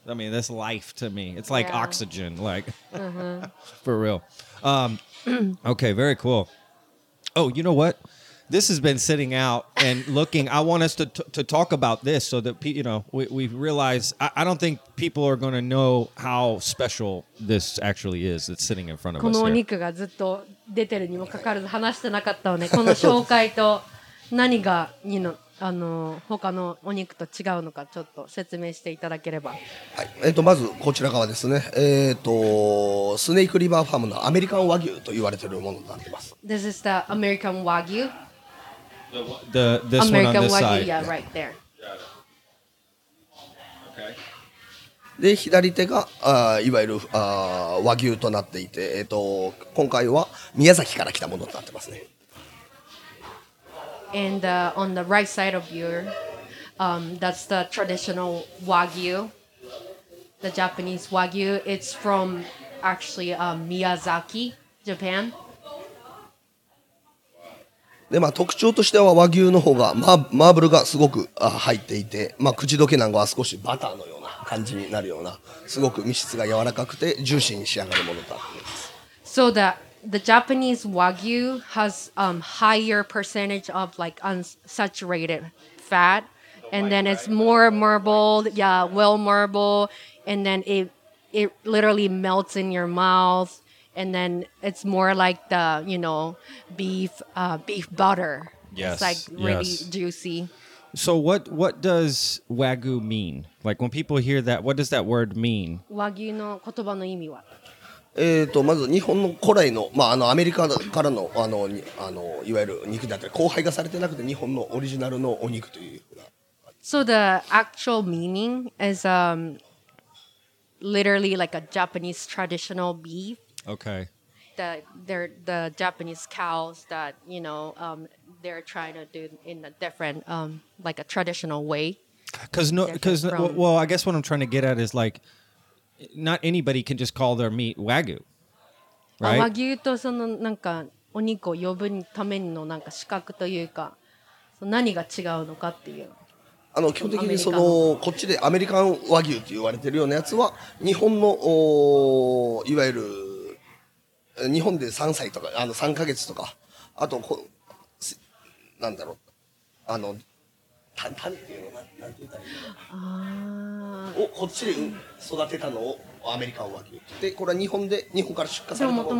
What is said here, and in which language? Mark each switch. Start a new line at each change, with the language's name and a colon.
English: I mean, that's life to me. It's like oxygen, like for real. Okay, very cool. Oh, you know what? This has been sitting out and looking. I want us to talk about this so that we realize. I don't think people are going to know how special this actually is. That's sitting in front of us here.
Japanese: この出てるにもかかわらず話してなかったので、この紹介と何がにのあの他のお肉と違うのかちょっと説明していただければ。はい、まずこちら側ですね。スネークリバーファームのアメリカン和牛と言われているものになってます。
English: This is the American Wagyu. This American side. Yeah, right there.
Japanese: で左手がいわゆる和牛となっていて、今回は宮崎から来たものとなってますね。
English: And on the right side of you, that's the traditional Wagyu, the Japanese Wagyu. It's from actually Miyazaki, Japan.
Japanese: でまあ特徴としては和牛の方が、ま、マーブルがすごく入っていて、まあ口どけなんかは少しバターのような。感じになるようなすごく身質が柔らかくてジューシーに仕上がるものだ。
English: So that the Japanese Wagyu has higher percentage of like unsaturated fat, and then it's more marbled, yeah, well marbled, and then it literally melts in your mouth, and then it's more like the beef butter. Yes, it's like really juicy. So what does Wagyu mean? Like when people hear that, what does that word mean?
Japanese: Wagyu の言葉の意味は、まず日本の古来の、まあ、アメリカからの、いわゆる肉だったり、交配がされてなくて日本のオリジナルのお肉というふうな。
English: So the actual meaning is literally like a Japanese traditional beef. Okay. They're the Japanese cows that, you know, they're trying to do in a different, like a traditional way. Because I guess what I'm trying to get at is like, not anybody can just call their meat Wagyu, right?
Japanese: Wagyu とそのなんかお肉を呼ぶためのなんか資格というか、何が違うのかっていう。基本的にそのこっちでアメリカン和牛と言われてるようなやつは、日本のいわゆる日本で3歳とか、3ヶ月とか、あとこ、なんだろう、タンっていうのが、なんて言ったらいいのか。こっちで育てたのをアメリカン和牛って、で、これは日本で、日本から出荷されたもの。